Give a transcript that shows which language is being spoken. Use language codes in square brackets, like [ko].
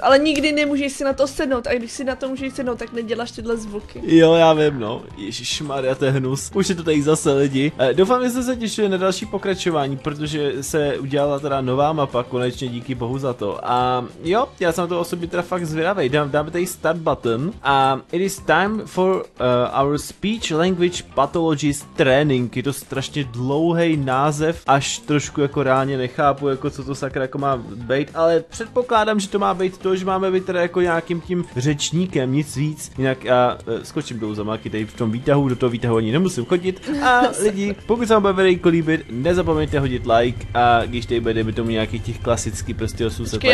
[cs] Ale nikdy nemůžeš si na to sednout, a když si na to můžeš sednout, tak neděláš tyhle zvuky. Jo, já vím, no. Ježišmarja, to je hnus. Už je to tady zase lidi. Doufám, že jste se těšili na další pokračování, protože se udělala teda nová mapa, konečně díky bohu za to. A jo, já jsem na to osobně teda fakt zvědavý. Dáme tady start button. [en] A it is time for our speech language pathologist training. [cs] Je to strašně dlouhý název, až trošku jako reálně nechápu, jako co to sakra jako má být, ale předpokládám, že to má být to, že máme být teda jako nějakým tím řečníkem, nic víc. Jinak já skočím do zamáky tady v tom výtahu, do toho výtahu ani nemusím chodit. A lidi, pokud se vám bude video líbit, nezapomeňte hodit like a když tady bude mi tomu nějakých těch klasický prostě 800 lajků.